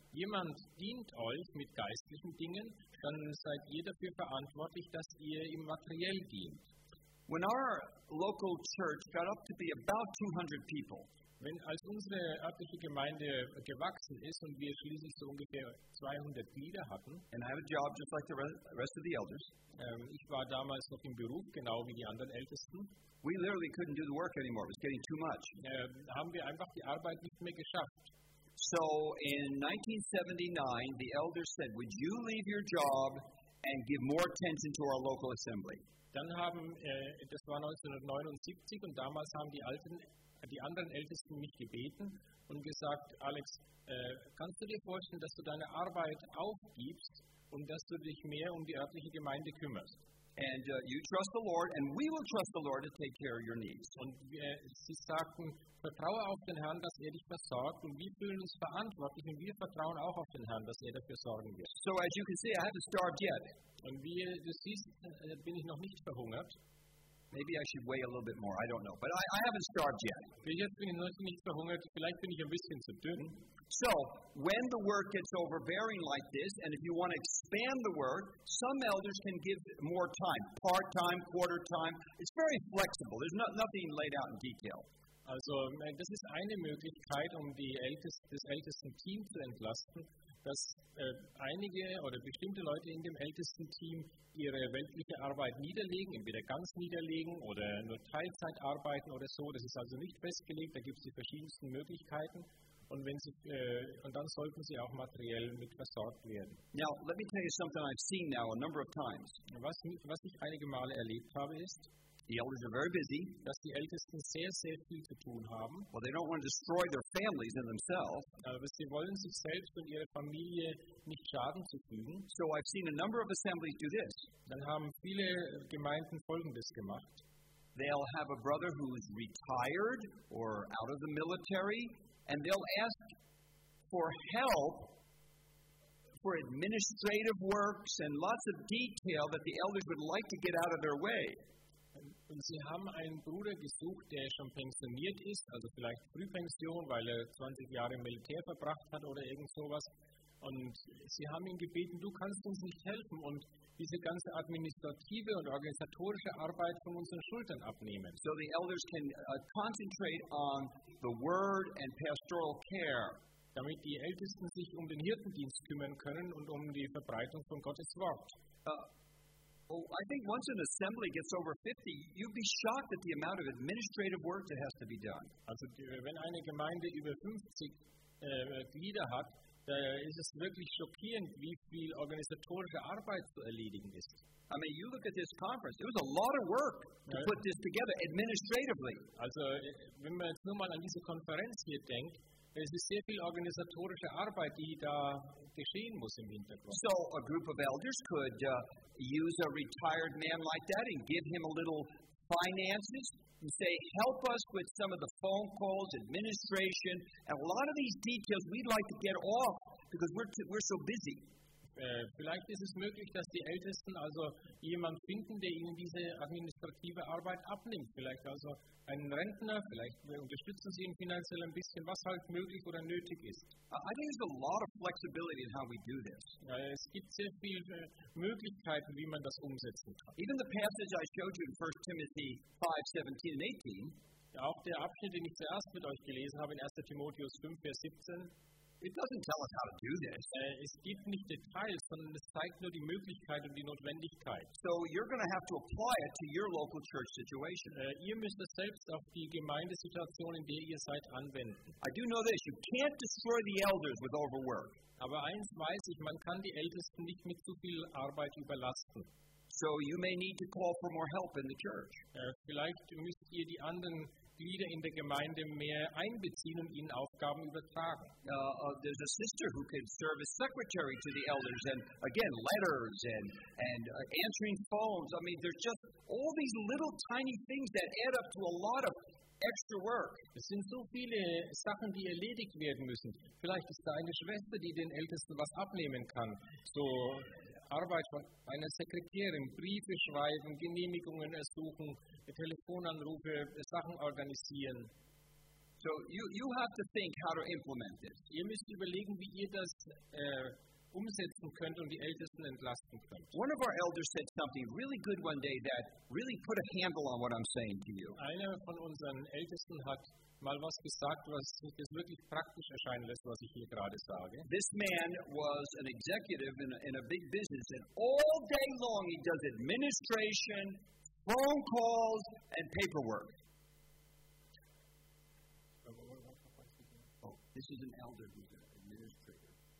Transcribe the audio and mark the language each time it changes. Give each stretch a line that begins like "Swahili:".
German: Jemand dient euch mit geistlichen Dingen, dann seid ihr dafür verantwortlich, dass ihr ihm materiell dient.
English: When our local church got up to be about 200 people,
German: wenn als unsere örtliche Gemeinde gewachsen ist und wir schließlich so ungefähr 200 Glieder hatten,
English: and I have a job just like the rest of the elders,
German: ich war damals noch im Beruf, genau wie die anderen Ältesten,
English: we literally couldn't do the work anymore. It was getting too much.
German: Haben wir einfach die Arbeit nicht mehr geschafft.
English: So in 1979, the elders said, would you leave your job and give more attention to our local assembly?
German: Dann haben, das war 1979, und damals haben die anderen Ältesten mich gebeten und gesagt, Alex, kannst du dir vorstellen, dass du deine Arbeit aufgibst und dass du dich mehr um die örtliche Gemeinde kümmerst?
English: And you trust the Lord, and we will trust the Lord to take care of your needs.
German: Und sie sagten, vertraue auf den Herrn, dass dich versorgt, und wir fühlen uns verantwortlich, und wir vertrauen auch auf den Herrn, dass dafür sorgen wird.
English: So as you can see, I haven't starved yet.
German: Und wie du siehst, bin ich noch nicht verhungert.
English: Maybe I should weigh a little bit more. I don't know, but I haven't starved yet.
German: Jetzt bin ich noch nicht verhungert. Vielleicht bin ich ein bisschen zu dünn.
English: So, when the work gets overbearing like this, and if you want to expand the work, some elders can give more time, part-time, quarter-time. It's very flexible. There's nothing laid out in detail.
German: Also, das ist eine Möglichkeit, um das Ältesten-Team zu entlasten, dass einige oder bestimmte Leute in dem Ältesten-Team ihre weltliche Arbeit niederlegen, entweder ganz niederlegen oder nur Teilzeit arbeiten oder so. Das ist also nicht festgelegt. Da gibt es die verschiedensten Möglichkeiten. Und wenn sie, und dann sollten sie auch materiell mit versorgt werden.
English: Now, let me tell you something I've seen now a number of times.
German: Was ich einige Male erlebt habe, ist,
English: the elders are very busy.
German: Dass die Ältesten sehr, sehr viel zu tun haben.
English: Well, they don't want to destroy their families and themselves.
German: Aber sie wollen sich selbst und ihre Familie nicht Schaden zufügen.
English: So I've seen a number of assemblies do this.
German: Dann haben viele Gemeinden Folgendes gemacht.
English: They'll have a brother who is retired or out of the military, and they'll ask for help for administrative works and lots of detail that the elders would like to get out of their way.
German: Und sie haben einen Bruder gesucht, der schon pensioniert ist, also vielleicht Frühpension, weil er 20 Jahre im Militär verbracht hat oder irgend sowas. Und sie haben ihn gebeten, du kannst uns nicht helfen und diese ganze administrative und organisatorische Arbeit von unseren Schultern abnehmen.
English: So the elders can concentrate on the word and pastoral care.
German: Damit die Ältesten sich um den Hirtendienst kümmern können und um die Verbreitung von Gottes Wort.
English: Oh, I think once an assembly gets over 50, you'd be shocked at the amount of administrative work that has to be done.
German: Also, wenn eine Gemeinde über 50 Glieder hat, da ist es wirklich schockierend, wie viel organisatorische Arbeit zu erledigen ist.
English: I mean, you look at this conference, it was a lot of work to put this together administratively.
German: Also, wenn man jetzt nur mal an diese Konferenz hier denkt, es ist sehr viel organisatorische Arbeit, die da geschehen muss im Hintergrund.
English: So, a group of elders could use a retired man like that and give him a little finances and say, help us with some of the phone calls, administration, and a lot of these details we'd like to get off because we're so busy.
German: Vielleicht ist es möglich, dass die Ältesten also jemanden finden, der ihnen diese administrative Arbeit abnimmt. Vielleicht also einen Rentner, vielleicht unterstützen sie ihn finanziell ein bisschen, was halt möglich oder nötig ist.
English: I think there's a lot of flexibility in how we do this.
German: Es gibt sehr viele Möglichkeiten, wie man das umsetzen kann.
English: Even the passage I showed you in 1 Timothy 5:17 and 18.
German: Ja, auch der Abschnitt, den ich zuerst mit euch gelesen habe, in 1. Timotheus 5, Vers 17.
English: It doesn't tell us how to do this.
German: Es gibt nicht Details, sondern es zeigt nur die Möglichkeit und die Notwendigkeit.
English: So you're going to have to apply it to your local church situation.
German: Ihr müsst es selbst auf die Gemeindesituation, in der ihr seid, anwenden.
English: I do know this, you can't destroy the elders with overwork.
German: Aber eins weiß ich, man kann die Ältesten nicht mit zu viel Arbeit überlasten.
English: So you may need to call for more help in the church.
German: Vielleicht müsst ihr die anderen Glieder in der Gemeinde mehr einbeziehen und ihnen Aufgaben übertragen.
English: There's a sister who can serve as secretary to the elders and again letters and answering phones. I mean, there's just all these little tiny things that add up to a lot of extra work.
German: Es sind so viele Sachen, die erledigt werden müssen. Vielleicht ist da eine Schwester, die den Ältesten was abnehmen kann. So Arbeit von einer Sekretärin, Briefe schreiben, Genehmigungen ersuchen, Telefonanrufe, Sachen organisieren.
English: So you have to think how to implement this.
German: Ihr müsst überlegen, wie ihr das umsetzen könnt und die Ältesten entlasten könnt.
English: One of our elders said something really good one day that really put a handle on what I'm saying to you.
German: Einer von unseren Ältesten hat mal was gesagt, was sich das wirklich praktisch erscheinen lässt, was ich hier gerade sage.
English: This man was an executive in a big business and all day long he does administration, phone calls and paperwork. This is an elder who's an administrator.